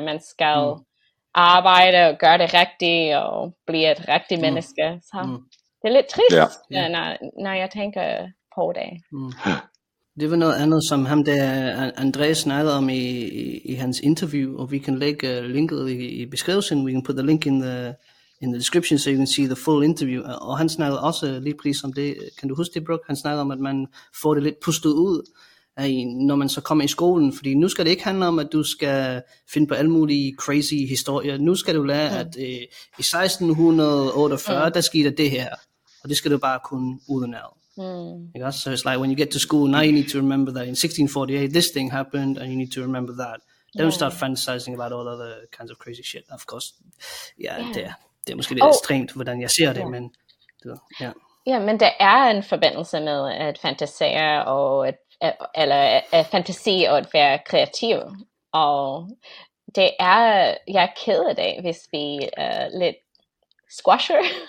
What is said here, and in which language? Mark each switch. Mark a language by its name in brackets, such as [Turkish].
[Danish] Man skal arbejde og gøre det rigtigt og blive et rigtigt menneske. Så det er lidt trist, når jeg tænker på det. Det var noget andet, som ham der André snakkede om i hans interview, og vi kan lægge linket i beskrivelsen. [English] We can put the link in the description, so you can see the full interview. [Danish] Og han snakkede også lige præcis om det. Kan du huske det, Brooke? Han snakkede om, at man får det lidt pustet ud, når man så kommer i skolen. Fordi nu skal det ikke handle om, at du skal finde på alle mulige crazy historier. Nu skal du lære, at i 1648, der skete det her. Og det skal du bare kunne udenad. [English] So it's like when you get to school, now you need to remember that in 1648 this thing happened, and you need to remember that. Don't start fantasizing about all other kinds of crazy shit. Of course, [Danish] det er måske lidt strengt, hvordan jeg ser det, men men der er en forbindelse med at fantasere og at fantasi og at være kreativ. Og det er, jeg er ked af det, hvis vi lidt squasher.